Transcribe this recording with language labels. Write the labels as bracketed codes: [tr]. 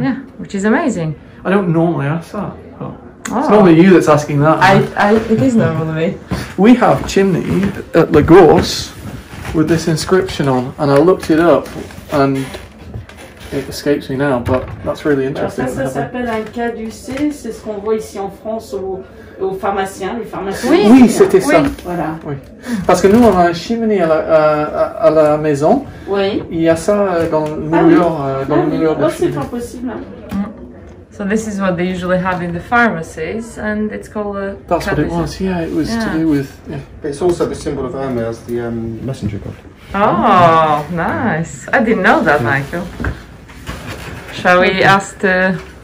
[en] yeah, which is amazing. I don't normally ask that. Oh. It's normally you that's asking that. It is normally me. We have chimney at Lagorce with this inscription on, and I looked it up, and it escapes me now, but that's really interesting. [fr] Ça s'appelle un caducé, c'est ce qu'on voit ici en France au pharmacien, le pharmacien. Oui, oui, c'était oui. Ça. Voilà. Oui. Parce que nous, on a un chimney à la maison. Oui. Il y a ça dans le mur, dans le mur de chimney. Non, c'est pas possible. [en] So this is what they usually have in the pharmacies, and it's called a... That's what it was, yeah, it was to do with... Yeah. It's also the symbol of Hermes, as the messenger god. Oh, nice. I didn't know that, yeah. Michael. Shall we ask the...